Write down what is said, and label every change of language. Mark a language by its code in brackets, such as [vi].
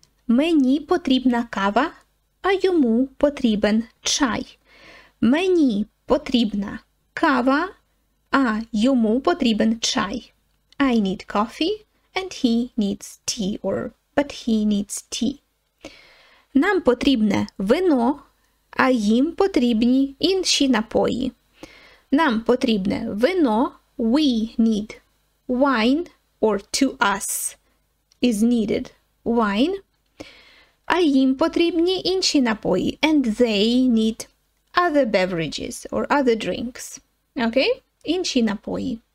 [uk] Мені потрібна кава, а йому потрібен чай. Мені потрібна кава, а йому потрібен чай. [en] I need coffee and he needs tea, or but he needs tea. [uk] Нам потрібне вино, а їм потрібні інші напої. Нам потрібне вино, [en] we need wine, or to us is needed wine. [uk] А їм потрібні інші напої, [en] and they need other beverages or other drinks. Okay? Інші напої.